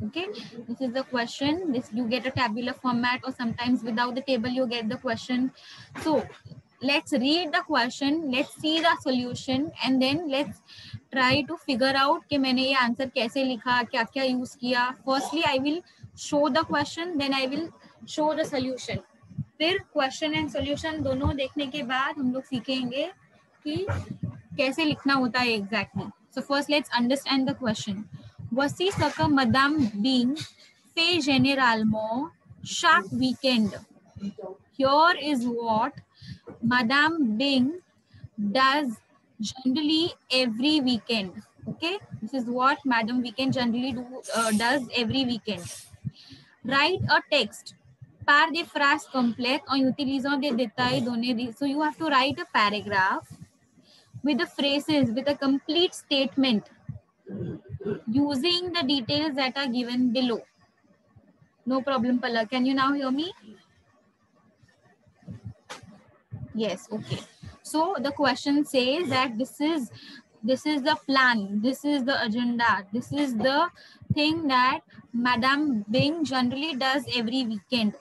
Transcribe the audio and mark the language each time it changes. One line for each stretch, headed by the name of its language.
English: Okay, this is the question. This you get a tabular format, or sometimes without the table you get the question. So, let's read the question. Let's see the solution, and then let's try to figure out
Hindi: कि मैंने ये answer कैसे लिखा, क्या-क्या use किया.
English: Firstly, I will show the question, then I will show the solution.
Hindi: फिर
English: question and solution
Hindi: दोनों देखने के बाद हम लोग सीखेंगे कि कैसे लिखना होता है exactly.
English: So first, let's understand the question.
French: Voici ce que Madame Bean fait généralement chaque weekend.
English: Here is what Madame Bean does generally every weekend. Okay, this is what Madame Bean generally does every weekend. Write a text
French: par des phrases complètes en utilisant des détails donnés.
English: So you have to write a paragraph with the phrases, with a complete statement using the details that are given below. No problem, Pala. Can you now hear me? Yes, okay. So the question says that this is the plan, this is the agenda, this is the thing that Madame Bing generally does every weekend.